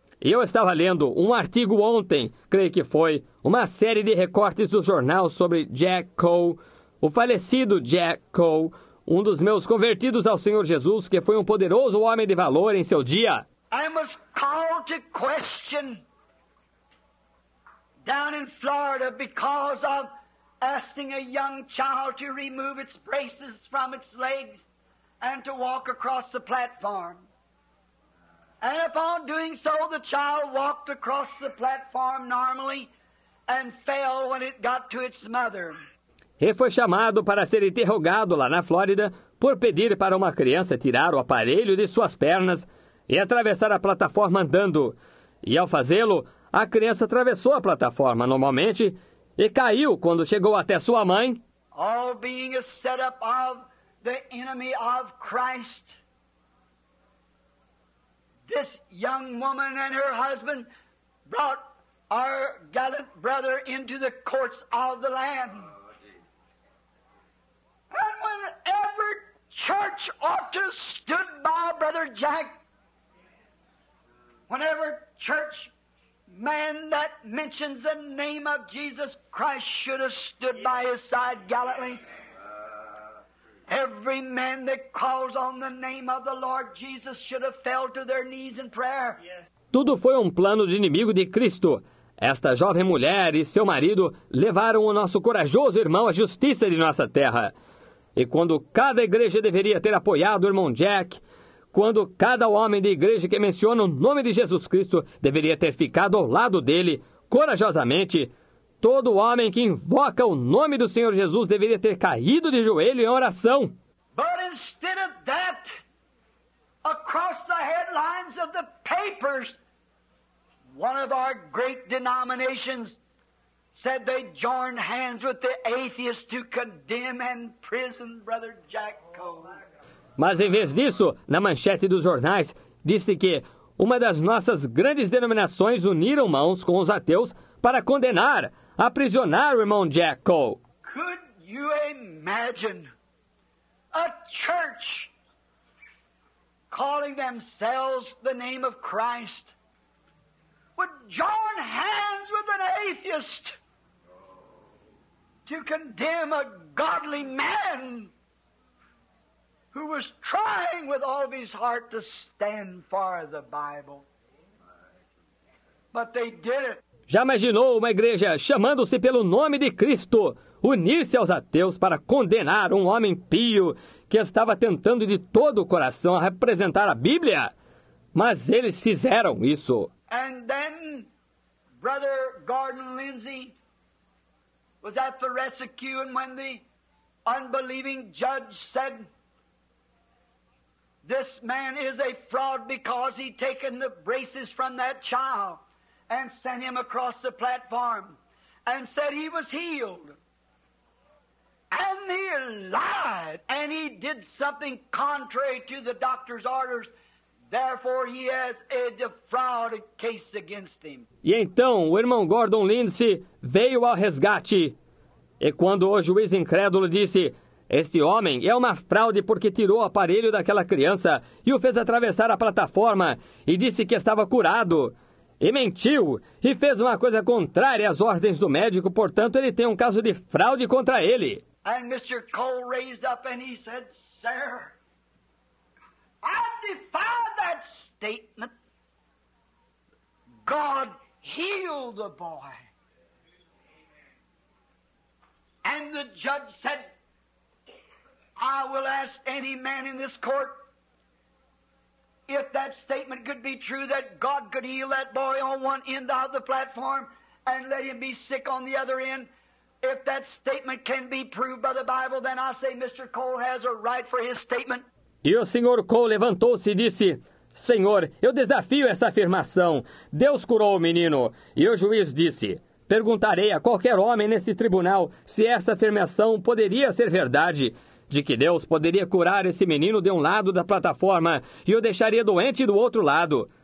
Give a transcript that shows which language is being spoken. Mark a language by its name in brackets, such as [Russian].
[Portuguese] Eu estava lendo um artigo ontem, creio que foi, uma série de recortes do jornal sobre Jack Cole, o falecido Jack Cole, um dos meus convertidos ao Senhor Jesus, que foi um poderoso homem de valor em seu dia. [English] I was called to question down in Florida because of asking a young child to remove its braces from its legs and to walk across the platform. And upon doing so, the child walked across the platform normally and fell when it got to its mother. [Portuguese] E foi chamado para ser interrogado lá na Flórida por pedir para uma criança tirar o aparelho de suas pernas e atravessar a plataforma andando. E ao fazê-lo, a criança atravessou a plataforma normalmente e caiu quando chegou até sua mãe. [English] All being a setup of the enemy of Christ. This young woman and her husband brought our gallant brother into the courts of the Lamb. And when every church ought to stood by Brother Jack, whenever church man that mentions the name of Jesus Christ should have stood by his side gallantly. Every man that calls on the name of the Lord Jesus should have fell to their knees in prayer. [Portuguese] Tudo foi um plano de inimigo de Cristo. Esta jovem mulher e seu marido levaram o nosso corajoso irmão à justiça de nossa terra. E quando cada igreja deveria ter apoiado o irmão Jack, quando cada homem de igreja que menciona o nome de Jesus Cristo deveria ter ficado ao lado dele, corajosamente, todo homem que invoca o nome do Senhor Jesus deveria ter caído de joelho em oração. [English] But instead of that, across the headlines of the papers, one of our great denominations said they joined hands with the atheists to condemn and prison Brother Jack Cole. [Portuguese] Mas em vez disso, na manchete dos jornais, disse que uma das nossas grandes denominações uniram mãos com os ateus para condenar, aprisionar o irmão Jack Cole. [English] Could you imagine a church calling themselves the name of Christ would join hands with an atheist to condemn a godly man who was trying with all of his heart to stand for the Bible? But they did it. [Portuguese] Já imaginou uma igreja chamando-se pelo nome de Cristo unir-se aos ateus para condenar um homem pio que estava tentando de todo o coração representar a Bíblia? Mas eles fizeram isso. [English] And then Brother Gordon Lindsay was at the rescue, and when the unbelieving judge said, "This man is a fraud because he taken the braces from that child and sent him across the platform and said he was healed." And he lied, and he did something contrary to the doctor's orders. Therefore, he has a defrauded case against him. [Portuguese] E então, o irmão Gordon Lindsay veio ao resgate. E quando o juiz incrédulo disse, este homem é uma fraude porque tirou o aparelho daquela criança e o fez atravessar a plataforma e disse que estava curado. E mentiu e fez uma coisa contrária às ordens do médico, portanto ele tem um caso de fraude contra ele. [English] And Mr. Cole raised up and he said, sir, I defy that statement. God healed the boy. And the judge said, I will ask any man in this court if that statement could be true, that God could heal that boy on one end of the platform and let him be sick on the other end. If that statement can be proved by the Bible, then I say Mr. Cole has a right for his statement. [Portuguese] E o Sr. Cole levantou-se e disse, Senhor, eu desafio essa afirmação. Deus curou o menino. E o juiz disse, perguntarei a qualquer homem nesse tribunal se essa afirmação poderia ser verdade, de que Deus poderia curar esse menino de um lado da plataforma e o deixaria doente do outro lado.